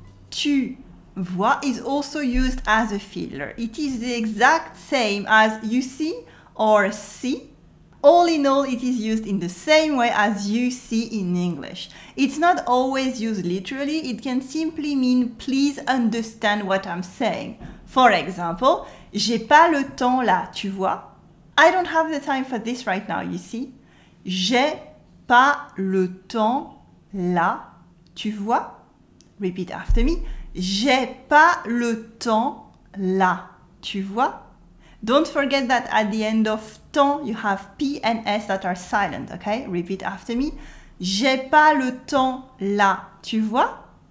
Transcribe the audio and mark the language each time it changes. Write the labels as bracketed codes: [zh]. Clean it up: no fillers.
[fr] Tu vois [en] is also used as a filler. It is the exact same as you see or see. All in all, it is used in the same way as you see in English. It's not always used literally. It can simply mean please understand what I'm saying. For example, [fr] j'ai pas le temps là, tu vois? [en] I don't have the time for this right now, you see? [fr] J'ai pas le temps là, tu vois? [en] Repeat after me. [fr] J'ai pas le temps là, tu vois? [en] Don't forget that at the end of temps, you have P and S that are silent, okay? Repeat after me. [fr] J'ai pas le temps là, tu vois?